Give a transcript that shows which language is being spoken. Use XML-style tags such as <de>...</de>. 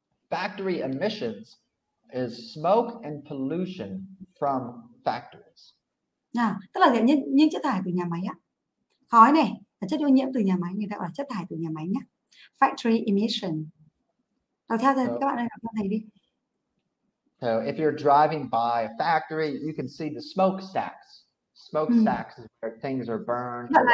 <en>Factory emissions is smoke and pollution from factories.</en> <vi>Tức là những chất thải từ nhà máy á. Khói này là chất ô nhiễm từ nhà máy, người ta gọi là chất thải từ nhà máy nhá. Factory emission. Đọc theo thầy, các bạn ơi, đọc theo thầy đi.</vi> <en>So if you're driving by a factory, you can see the smokestacks. Smokestacks is where things are burned.</en>